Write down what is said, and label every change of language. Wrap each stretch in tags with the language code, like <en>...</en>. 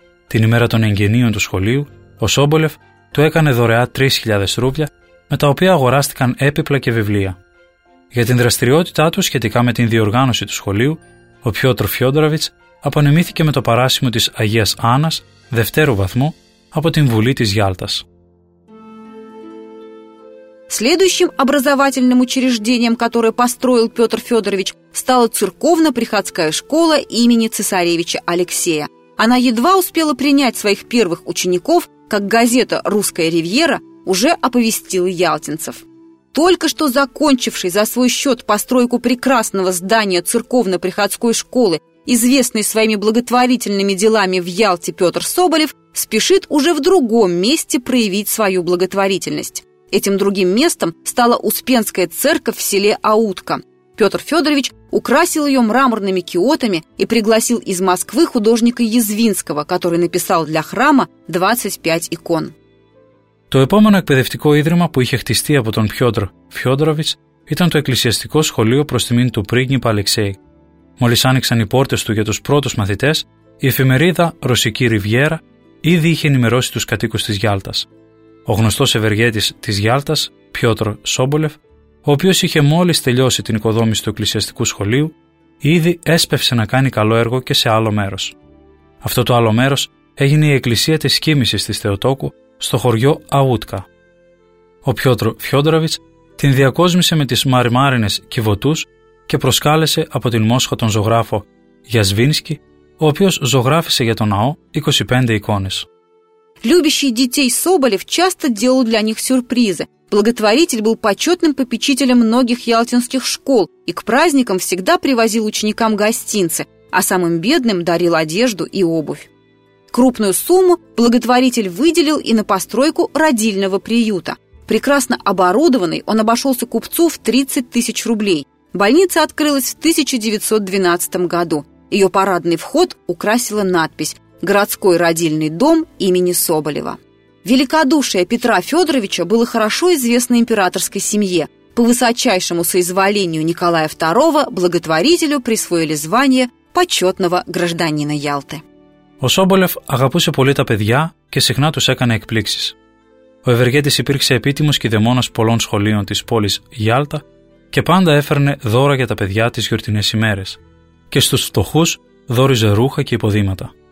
<el>Την ημέρα των εγγενείων του σχολείου, ο Σόμπολεφ του έκανε δωρεά 3.000 ρούβλια, με τα οποία αγοράστηκαν έπιπλα και βιβλία. Για την δραστηριότητά του σχετικά με την διοργάνωση του σχολείου, ο Пётр Φιόντοροβιτς απονεμήθηκε με το παράσημο της Αγίας Άννας, δευτέρου βαθμού, από την Βουλή της Γιάλτας.</el> <ru>Следующим образовательным учреждением, которое построил Петр Федорович, стала церковно-приходская школа имени цесаревича Алексея. Она едва успела принять своих первых учеников, как газета «Русская ривьера» уже оповестила ялтинцев. Только что закончивший за свой счет постройку прекрасного здания церковно-приходской школы, известный своими благотворительными делами в Ялте Петр Соболев, спешит уже в другом месте проявить свою благотворительность. Этим другим местом стала Успенская церковь в селе Аутка. Петр Федорович украсил ее мраморными киотами и пригласил из Москвы художника Язвинского, который написал для храма 25 икон.</ru> <el>Το επόμενο εκπαιδευτικό ίδρυμα που είχε χτιστεί από τον Πιότρ Φιόντροβιτς ήταν το Εκκλησιαστικό Σχολείο προς τιμήν του πρίγκιπα Αλεξέη. Μόλις άνοιξαν οι πόρτες του για τους πρώτους μαθητές, η εφημερίδα «Ρωσική Ριβιέρα» ήδη είχε ενημερώσει τους κατοίκους της Γιάλτας. Ο γνωστός ευεργέτης της Γιάλτας, Πιότρ Σόμπολεφ, ο οποίος είχε μόλις τελειώσει την οικοδόμηση του Εκκλησιαστικού Σχολείου, ήδη έσπευσε να κάνει καλό έργο και σε άλλο μέρος. Αυτό το άλλο μέρος έγινε η Εκκλησία της Κοίμησης της Θεοτόκου, στο χωριό Αούτκα. Ο Πιότρ Φιόντροβιτς την διακόσμησε με τις μαριμάρινες κιβωτούς και προσκάλεσε από την Μόσχα τον ζωγράφο Γιασβίνσκι, ο οποίος ζωγράφισε για τον ναό 25 εικόνες.</el> <ru>Любящий детей Соболев часто делал для них сюрпризы. Благотворитель был почетным попечителем многих ялтинских школ и к праздникам всегда привозил ученикам гостинцы, а самым бедным дарил одежду и обувь. Крупную сумму благотворитель выделил и на постройку родильного приюта. Прекрасно оборудованный, он обошелся купцу в 30 тысяч рублей. Больница открылась в 1912 году. Ее парадный вход украсила надпись «Городской родильный дом имени Соболева». Великодушие Петра Федоровича было хорошо известно императорской семье. По высочайшему соизволению Николая II благотворителю присвоили звание почетного гражданина Ялты.</ru> <el>Ο Σόμπολεφ αγαπούσε πολύ τα παιδιά και συχνά τους έκανε εκπλήξεις. Ο ευεργέτης υπήρξε επίτιμος κηδεμόνας πολλών σχολείων της πόλης Γιάλτα και πάντα έφερνε δώρα για τα παιδιά τις γιορτινές ημέρες και στους φτωχούς δώριζε ρούχα και υποδήματα.</el>